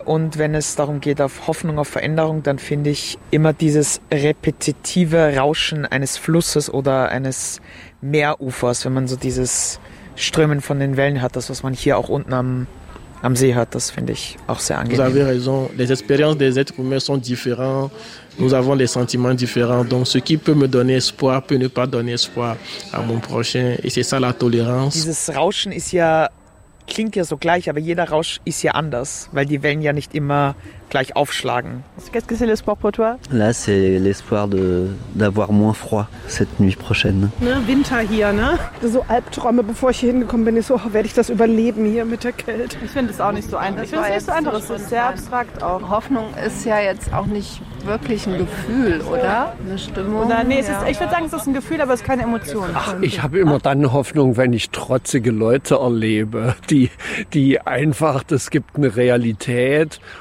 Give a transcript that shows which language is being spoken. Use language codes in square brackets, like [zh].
[de] Und wenn es darum geht, auf Hoffnung, auf Veränderung, dann finde ich immer dieses repetitive Rauschen eines Flusses oder eines Meerufers, wenn man so dieses Strömen von den Wellen hat, das, was man hier auch unten am See hört, das finde ich auch sehr angenehm. [fr] Vous avez raison. Les expériences des êtres humains sont différentes. Nous avons des sentiments différents. Donc, ce qui peut me donner espoir peut ne pas donner espoir à mon prochain. Et c'est ça la tolérance. [de] Dieses Rauschen ist ja, klingt ja so gleich, aber jeder Rausch ist ja anders, weil die Wellen ja nicht immer gleich aufschlagen. [fr] Qu'est-ce que c'est l'espoir pour toi? Là, c'est l'espoir d'avoir moins froid cette nuit prochaine. [de] Ne, Winter hier, ne? So Albträume, bevor ich hier hingekommen bin, ich so, werde ich das überleben hier mit der Kälte? Ich finde es auch nicht so einfach. Ich finde es nicht so einfach, es ist sehr abstrakt auch. Hoffnung ist ja jetzt auch nicht wirklich ein Gefühl, oder? Eine Stimmung? Oder, nee, es ist, ich würde sagen, es ist ein Gefühl, aber es ist keine Emotion. Ach, ich habe immer dann Hoffnung, wenn ich trotzige Leute erlebe, die einfach, es gibt eine Realität.